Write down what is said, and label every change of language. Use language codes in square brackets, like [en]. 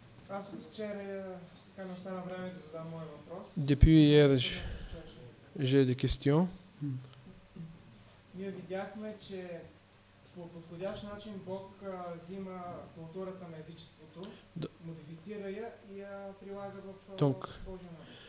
[bg] Аз от вчера така не остана време да задам моя въпрос. [fr] Depuis hier, j'ai des questions. [bg] Ние видяхме, че по подходящ начин Бог взима културата на езичеството, модифицира я и я прилага в Божия народ.